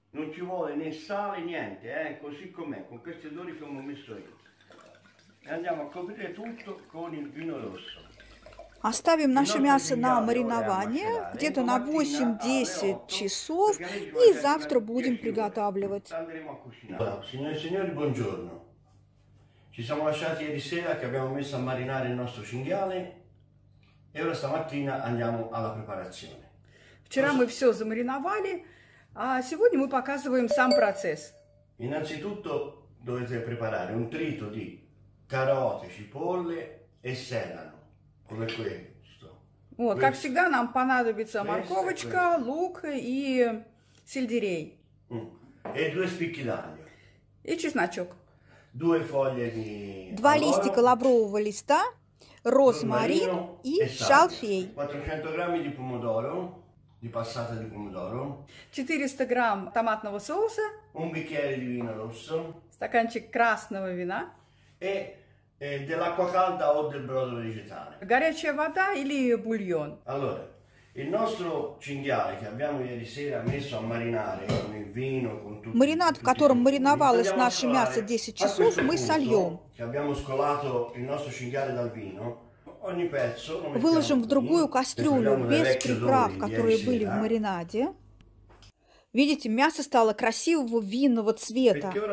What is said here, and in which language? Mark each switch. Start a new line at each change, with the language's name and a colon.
Italian: Non ci vuole né sale niente, così com'è, con questi odori che ho messo io. E andiamo a coprire tutto con il vino rosso.
Russian: Оставим наше мясо на маринование где-то на 8-10 часов и завтра будем приготавливать.
Italian: Signori, buongiorno. Ci siamo lasciati ieri sera che abbiamo messo a marinare il nostro cinghiale e ora stamattina andiamo alla preparazione.
Russian: Вчера мы все замариновали, а сегодня мы показываем сам процесс.
Italian: Innanzitutto dovete preparare un trito di carote, cipolle e sedano, come questo.
Russian: Вот, как всегда, нам понадобится морковочка, лук и сельдерей.
Italian: E due spicchi d'aglio.
Russian: И чесночок.
Italian: Due foglie di.
Russian: Два листика лаврового листа, розмарин и шалфей.
Italian: 400 граммов di pomodoro. Di passata di pomodoro.
Russian: 400 грамм томатного соуса.
Italian: Un bicchiere di vino rosso.
Russian: Стаканчик красного вина.
Italian: E dell'acqua calda o del brodo vegetale.
Russian: Горячая вода или бульон.
Italian: Allora, il nostro cinghiale che abbiamo ieri sera messo a marinare con il vino, con tutto.
Russian: Маринад, в котором мариновалось наше мясо 10 часов, мы сольем.
Italian: Che abbiamo scolato il nostro cinghiale dal vino.
Russian: Выложим в другую кастрюлю без приправ, которые были в маринаде. Видите, мясо стало красивого винного цвета.